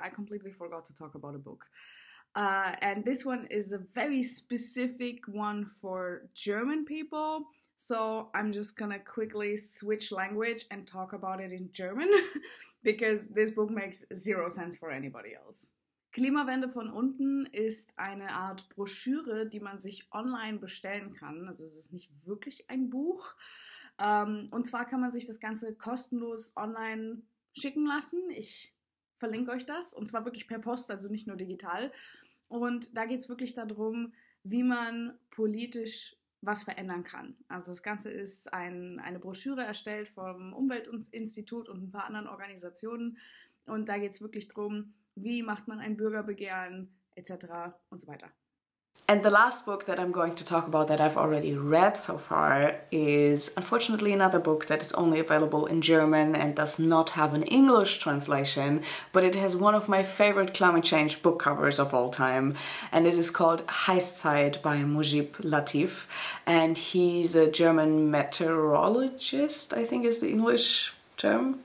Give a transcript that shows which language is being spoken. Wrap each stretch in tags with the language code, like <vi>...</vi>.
<en>I completely forgot to talk about a book. And this one is a very specific one for German people. So I'm just gonna quickly switch language and talk about it in German, because this book makes zero sense for anybody else.</en> <de>Klimawende von unten ist eine Art Broschüre, die man sich online bestellen kann. Also es ist nicht wirklich ein Buch. Und zwar kann man sich das Ganze kostenlos online schicken lassen. Ich verlinke euch das. Und zwar wirklich per Post, also nicht nur digital. Und da geht es wirklich darum, wie man politisch was verändern kann. Also das Ganze ist eine Broschüre erstellt vom Umweltinstitut und ein paar anderen Organisationen. Und da geht es wirklich darum, wie macht man ein Bürgerbegehren, etc. und so weiter.</de> <en>And the last book that I'm going to talk about that I've already read so far is unfortunately another book that is only available in German and does not have an English translation, but it has one of my favorite climate change book covers of all time, and it is called Heisszeit by Mujib Latif, and he's a German meteorologist, I think is the English term.</en>